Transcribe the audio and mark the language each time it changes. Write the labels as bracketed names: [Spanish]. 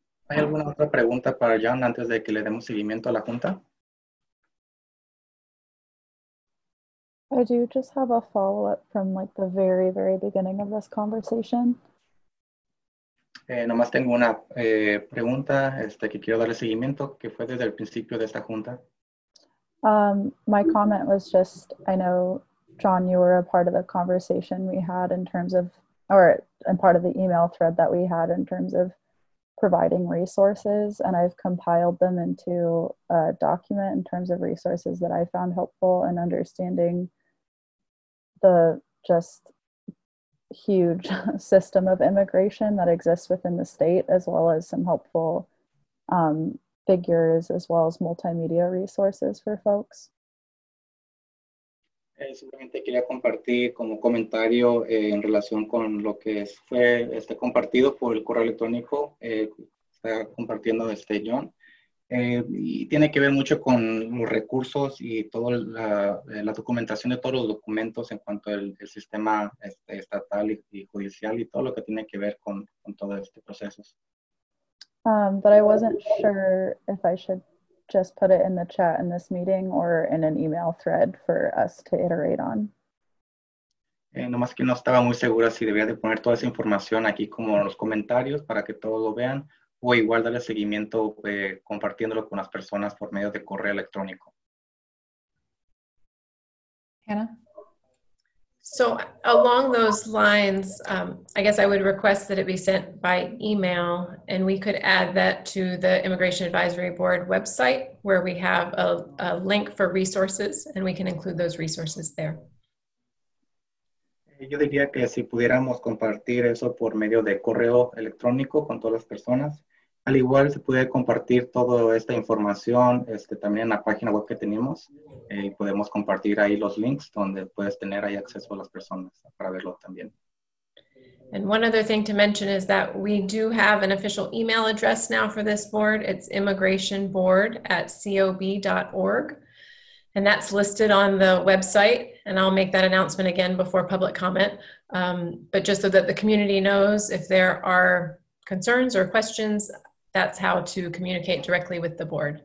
[Spanish] ¿Hay alguna otra pregunta para John antes de que le demos seguimiento a la junta? [English] I do just have a follow-up from like the very, very beginning of this conversation. [Spanish] Nomás tengo una pregunta que quiero darle seguimiento, que fue desde el principio de esta junta. [English] My comment was just, I know, John, you were a part of the conversation we had in terms of and part of the email thread that we had in terms of providing resources, and I've compiled them into a document in terms of resources that I found helpful in understanding the just huge system of immigration that exists within the state, as well as some helpful figures, as well as multimedia resources for folks. [Spanish] Simplemente quería compartir como comentario en relación con lo que fue compartido por el correo electrónico está compartiendo John. Y tiene que ver mucho con los recursos y toda la documentación de todos los documentos en cuanto al sistema estatal y judicial y todo lo que tiene que ver con todo este proceso. [English] But I wasn't sure if I should just put it in the chat in this meeting or in an email thread for us to iterate on. [Spanish] Nomás que no estaba muy segura si debía de poner toda esa información aquí como en los comentarios para que todos lo vean o igual darle seguimiento compartiéndolo con las personas por medio de correo electrónico. [English] Hannah? So along those lines, I guess I would request that it be sent by email, and we could add that to the Immigration Advisory Board website, where we have a link for resources, and we can include those resources there. [Spanish] Yo diría que si pudiéramos compartir eso por medio de correo electrónico con todas las personas, al igual se puede compartir toda esta información también en la página web que tenemos. Y podemos compartir ahí los links donde puedes tener ahí acceso a las personas para verlo también. [English] And one other thing to mention is that we do have an official email address now for this board. It's immigrationboard@cob.org. And that's listed on the website, and I'll make that announcement again before public comment. But just so that the community knows, if there are concerns or questions, that's how to communicate directly with the board.